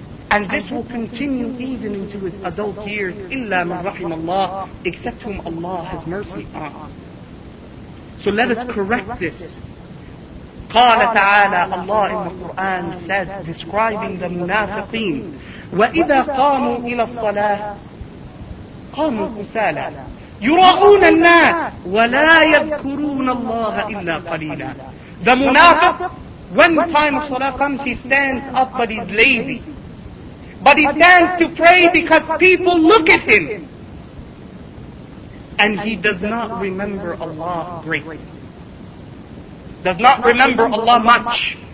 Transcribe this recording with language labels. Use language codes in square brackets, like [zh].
[en] And this will continue even into its adult years, [ar] إِلَّا مَنْ رَحِمَ اللَّهِ, [en] except whom Allah has mercy on. So let us correct this. [ar] قال تعالى, [en] Allah in the Quran says, describing the munafiqeen, [ar] وَإِذَا قَامُوا إِلَى الصَّلَاةِ قَامُوا كُسَالًا يراؤون الناس ولا يذكرون الله إلا قليلا. [en] The munafiq, when time of salah comes, he stands up but he's lazy. But he stands to pray because people look at him. And he does not remember Allah greatly. Does not remember Allah much.